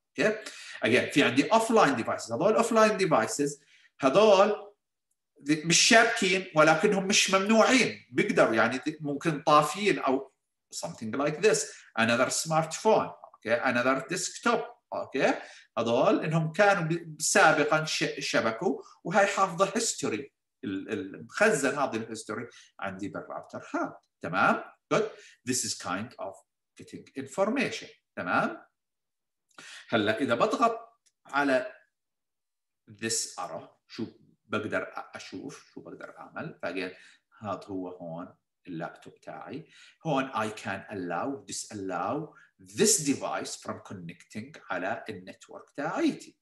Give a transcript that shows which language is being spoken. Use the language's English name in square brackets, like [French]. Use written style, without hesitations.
[Arabic] أوكي again في عندي offline devices، هذول offline devices هذول مش شابكين ولكنهم مش ممنوعين، بيقدر يعني ممكن طافين أو [English] something like this another smartphone okay another desktop okay [Arabic] هذول إنهم كانوا سابقا شبكوا وهي حافظة history المخزن هذه الهيستوري عندي بالراوتر هذا. [English] تمام good this is kind of getting information. [Arabic] تمام هلا إذا بضغط على this arrow شو بقدر أشوف؟ شو بقدر أعمل؟ فأجل هذا هو هون اللابتوب تاعي. [English] هون I can allow disallow this device from connecting [Arabic] على النتورك تاعيتي.